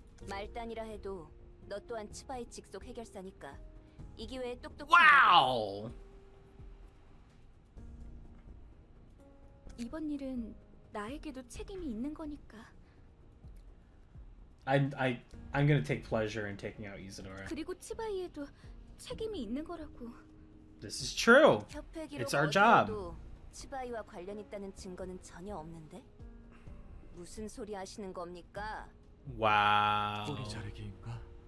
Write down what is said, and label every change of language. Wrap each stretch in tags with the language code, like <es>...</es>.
<ko>말단이라 해도 너 또한 치바의 직속 해결사니까 이 기회에 똑똑하게.</ko> <en>와우.</en> <ko>이번 일은 나에게도 책임이 있는 거니까.</ko> <en>I'm gonna take pleasure in taking out Isadora.</en> <ko>그리고 치바이에도 책임이 있는 거라고.</ko> <en>This is true. It's our job.</en> <ko>치바이와 관련 있다는 증거는 전혀 없는데 무슨 소리 하시는 겁니까?</ko> <en>와우.</en> <ko>우리 자리기인가?</ko>